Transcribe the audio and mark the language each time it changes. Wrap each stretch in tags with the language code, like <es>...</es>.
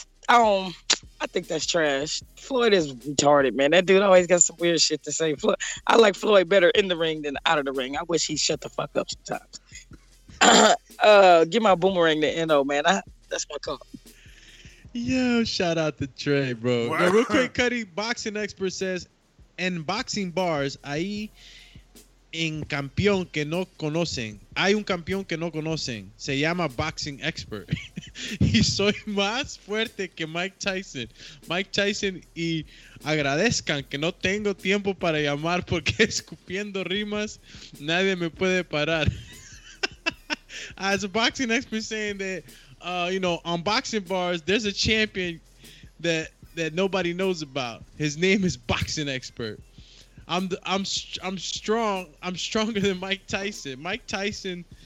<en>I think that's trash. Floyd is retarded, man. That dude always got some weird shit to say. I like Floyd better in the ring than out of the ring. I wish he shut the fuck up sometimes. Give my boomerang to N.O., man. That's my call. Yo, shout out to Trey, bro. Now, real quick, Cuddy, boxing expert says, en boxing bars,</en> <es>ahí en campeón que no conocen. Hay un campeón que no conocen. Se llama boxing expert. Y soy más fuerte que Mike Tyson. Mike Tyson, y agradezcan que no tengo tiempo para llamar porque escupiendo rimas, nadie me puede parar.</es> <en>As a boxing expert saying that, you know, on boxing bars, there's a champion that nobody knows about. His name is Boxing Expert. I'm strong. I'm stronger than Mike Tyson.</en>